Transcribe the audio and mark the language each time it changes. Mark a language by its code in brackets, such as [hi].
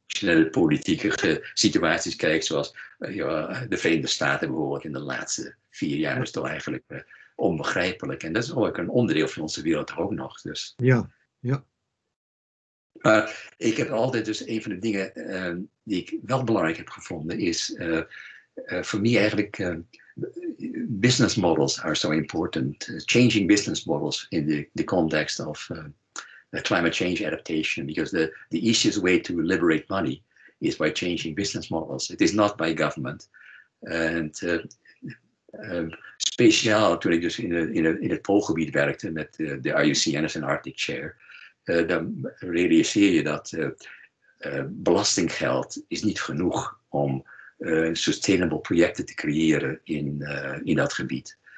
[nl] Als je naar de politieke situaties kijkt, zoals de Verenigde Staten bijvoorbeeld in de laatste 4 jaar, is toch eigenlijk onbegrijpelijk. En dat is ook een onderdeel van onze wereld ook nog. Dus. Ja, ja. Maar ik heb altijd dus een van de dingen die ik wel belangrijk heb gevonden, is voor mij eigenlijk [en] business models are so important. Changing business models in the context of the climate change adaptation, because the easiest way to liberate money is by changing business models. It is not by government. [nl] And speciaal toen ik dus in het Poolgebied werkte met de IUCN [en] as an Arctic Chair, [nl] dan realiseer je dat belastinggeld is niet genoeg om sustainable projecten te creëren in dat gebied.